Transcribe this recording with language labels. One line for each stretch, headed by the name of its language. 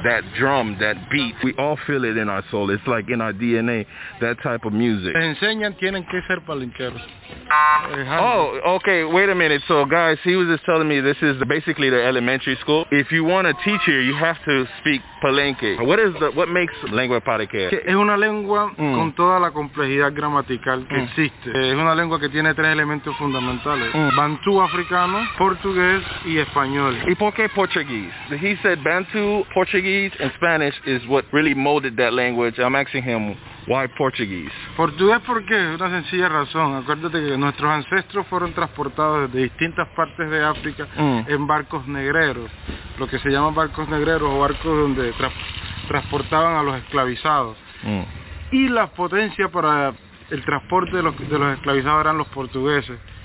English: That drum, that beat, we all feel it in our soul. It's like in our DNA, that type of music.
Spanish: Enseñan tienen que ser palenqueros.
English: Oh, okay, wait a minute. So guys, he was just telling me this is basically the elementary school. If you want to teach here, you have to speak Palenque. What makes lengua palenque?
Spanish: Es una lengua con toda la complejidad gramatical que existe. Es una lengua que tiene tres elementos fundamentales. Bantu africano, portugués y español. ¿Y por qué portugués?
English: He said Bantu, Portuguese, and Spanish is what really molded that language. I'm asking him, why Portuguese?
Spanish: Portugués porque es una sencilla razón. Acuérdate que nuestros ancestros fueron transportados desde distintas partes de África en barcos negreros. Lo que se llaman barcos negreros o barcos donde transportaban a los esclavizados. Y la potencia para el transporte de los esclavizados eran los portugueses.